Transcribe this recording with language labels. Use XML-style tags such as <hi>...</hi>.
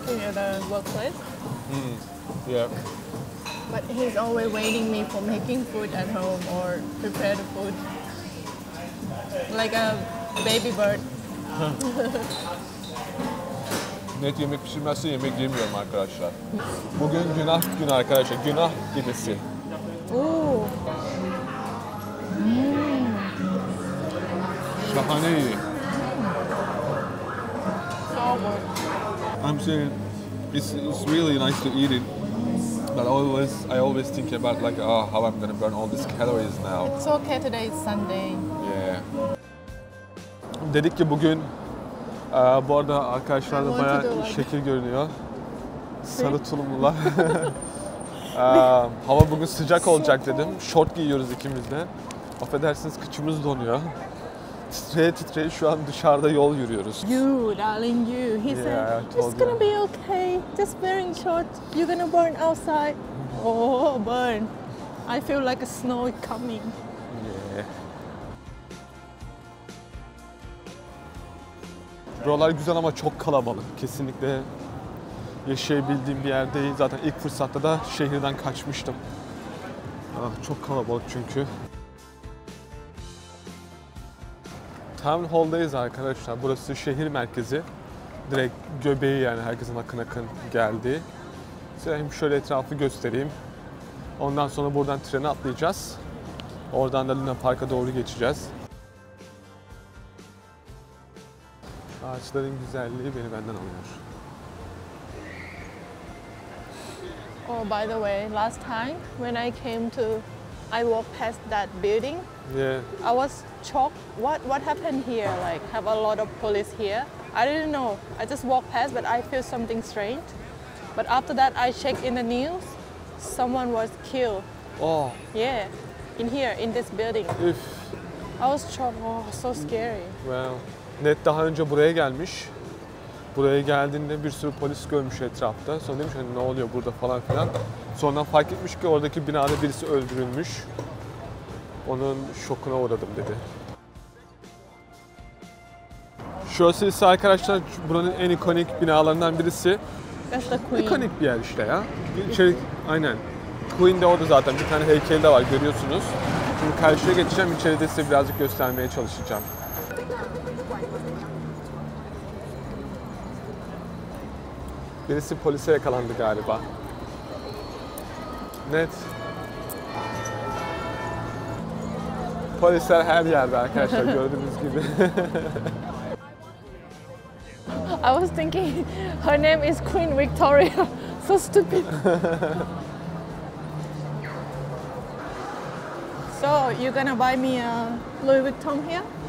<en>Working at home, and I was working at a workplace. Mm, yeah. But he's always waiting me for making food at home or prepare the food, like a baby bird.</en> <tr>Net yemek pişirmezse yemek yemiyorum arkadaşlar. Bugün günah günü arkadaşlar, günah gibisi. Şahane iyi.</tr> <en>I'm saying it's really nice to eat it, but I always think about like, oh, how I'm gonna burn all these calories now. It's okay, today is Sunday. Yeah.</en> <tr>Dedik ki bugün, bu arada arkadaşlar da baya şekil görünüyor. Sarı tulumlular. hava bugün sıcak olacak dedim. Short giyiyoruz ikimiz de. Affedersiniz, kıçımız donuyor. Titreye titreye şu an dışarıda yol yürüyoruz.</tr> <en>You, darling, you. He said, it's gonna be okay. Just wearing short. You're gonna burn outside. Oh, burn. I feel like a snow coming. Yeah.</en> <tr>Buralar güzel ama çok kalabalık. Kesinlikle yaşayabildiğim bir yer değil. Zaten ilk fırsatta da şehirden kaçmıştım. Ah, çok kalabalık çünkü. Town Hall'dayız arkadaşlar. Burası şehir merkezi. Direkt göbeği yani, herkesin akın akın geldiği. Size hem şöyle etrafı göstereyim. Ondan sonra buradan trene atlayacağız. Oradan da Luna Park'a doğru geçeceğiz. Ağaçların güzelliği beni benden alıyor.</tr> <en>Oh, by the way, last time when I came to, I walked past that building. Yeah. I was shocked. What happened here? Like, have a lot of police here? I didn't know. I just walked past, but I feel something strange. But after that, I checked in the news. Someone was killed. Oh. Yeah. In here, in this building. Üf. I was shocked. Oh, so scary.</en> <tr>Well, Ned daha önce buraya gelmiş. Buraya geldiğinde bir sürü polis görmüş etrafta. Sonra demiş hani ne oluyor burada falan filan. Sonra fark etmiş ki oradaki binada birisi öldürülmüş. Onun şokuna uğradım dedi. Şurası ise arkadaşlar buranın en ikonik binalarından birisi. İkonik bir yer işte ya. İçerik, aynen. Queen de orada zaten. Bir tane heykeli de var, görüyorsunuz. Şimdi karşıya geçeceğim. İçeride size birazcık göstermeye çalışacağım. Birisi polise yakalandı galiba. Net. Polisler her yerde arkadaşlar, gördüğünüz gibi.</tr> <en>I was thinking her name is Queen Victoria. So stupid. So, you're gonna buy me a Louis Vuitton here?</en>